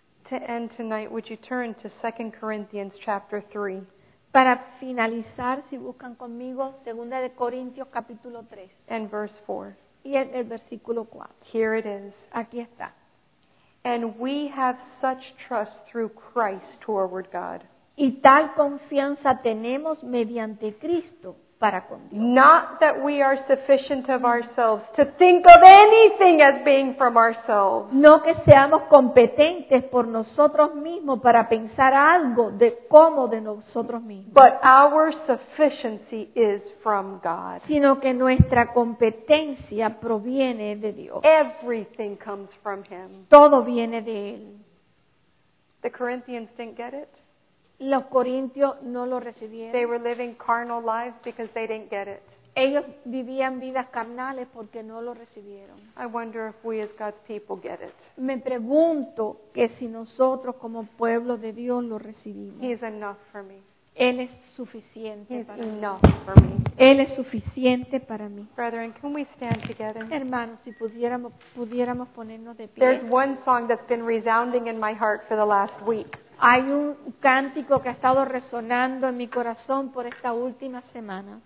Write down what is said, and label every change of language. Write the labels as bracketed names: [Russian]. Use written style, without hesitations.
[English] To end tonight, would you turn to 2 Corinthians chapter 3? [Spanish] Para finalizar, si buscan conmigo, 2 de Corintios capítulo 3. [English] And verse 4. [Spanish] Y en el versículo 4. [English] Here it is. [Spanish] Aquí está. [English] And we have such trust through Christ toward God. [Spanish] Y tal confianza tenemos mediante Cristo para con Dios. [English] Not that we are sufficient of ourselves to think of anything as being from ourselves. [Spanish] No que seamos competentes por nosotros mismos para pensar algo de como de nosotros mismos. [English] But our sufficiency is from God. [Spanish] Sino que nuestra competencia proviene de Dios. [English] Everything comes from Him. [Spanish] Todo viene de Él. [English] The Corinthians didn't get it. [Spanish] Los corintios no lo recibieron. [English] They were living carnal lives because they didn't get it. [Spanish] Ellos vivían vidas carnales porque no lo recibieron. [English] I wonder if we as God's people get it. [Spanish] Me pregunto que si nosotros como pueblo de Dios lo recibimos. [English] He is enough for me. [Spanish] Él es suficiente para [English] enough [Spanish] mí. [English] For me. [Spanish] Él es suficiente para mí. [English] Brethren, can we stand together? [Spanish] Hermanos, si pudiéramos ponernos de pie. [English] There's one song that's been resounding in my heart for the last week. [Spanish] Hay un cántico que ha estado resonando en mi corazón por esta última semana.